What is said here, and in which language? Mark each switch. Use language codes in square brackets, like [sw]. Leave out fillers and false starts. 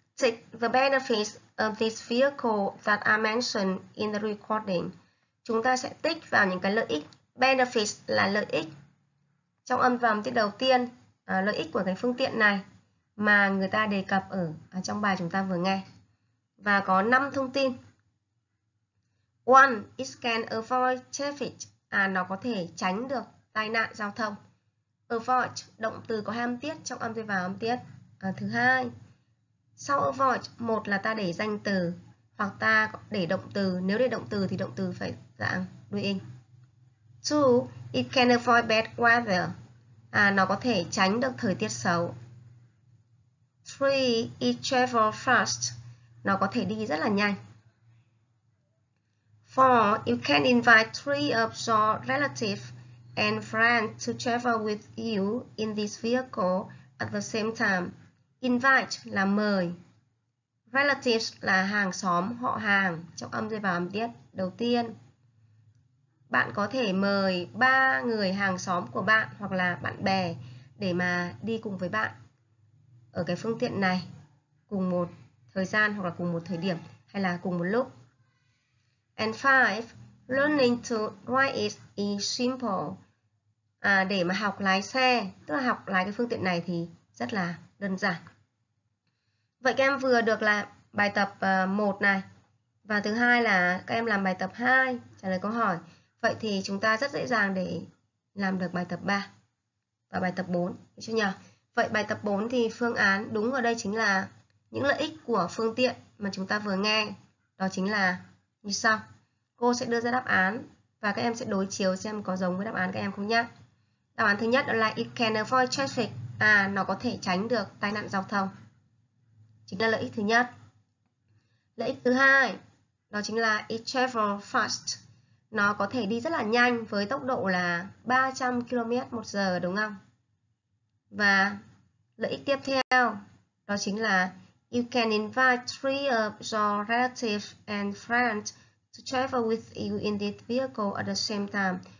[en] Take the benefits of this vehicle that are mentioned in the recording. [vi] Chúng ta sẽ tích vào những cái lợi ích. Benefits là lợi ích. Trong âm vòng tiết đầu tiên, lợi ích của cái phương tiện này mà người ta đề cập ở trong bài chúng ta vừa nghe. Và có 5 thông tin. [en] One, it can avoid traffic. [vi] Nó có thể tránh được tai nạn giao thông. Avoid, động từ có hai âm tiết trong âm tiết và âm tiết. Thứ hai, sau avoid, một là ta để danh từ hoặc ta để động từ. Nếu để động từ thì động từ phải dạng đuôi ing. [en] Two, it can avoid bad weather. [vi] Nó có thể tránh được thời tiết xấu. [en] Three, it travel fast. [vi] Nó có thể đi rất là nhanh. [en] Four, you can invite three of your relatives and friends to travel with you in this vehicle at the same time. [vi] Invite là mời. Relatives là hàng xóm, họ hàng, trong âm rơi vào âm tiết đầu tiên. Bạn có thể mời ba người hàng xóm của bạn hoặc là bạn bè để mà đi cùng với bạn ở cái phương tiện này cùng một thời gian hoặc là cùng một thời điểm hay là cùng một lúc. [en] And five, learning to ride it is simple. [vi] Để mà học lái xe, tức là học lái cái phương tiện này thì rất là đơn giản. Vậy các em vừa được là bài tập 1 này. Và thứ hai là các em làm bài tập 2, trả lời câu hỏi. Vậy thì chúng ta rất dễ dàng để làm được bài tập 3 và bài tập 4, được chưa nhỉ? Vậy bài tập 4 thì phương án đúng ở đây chính là những lợi ích của phương tiện mà chúng ta vừa nghe. Đó chính là như sau. Cô sẽ đưa ra đáp án và các em sẽ đối chiếu xem có giống với đáp án các em không nhé. Đáp án thứ nhất đó là [en] it can avoid traffic. [vi] Nó có thể tránh được tai nạn giao thông. Chính là lợi ích thứ nhất. Lợi ích thứ hai, đó chính là [en] it travel fast. [vi] Nó có thể đi rất là nhanh với tốc độ là 300 km/h, đúng không? Và lợi ích tiếp theo, đó chính là [en] you can invite three of your relatives and friends to travel with you in this vehicle at the same time.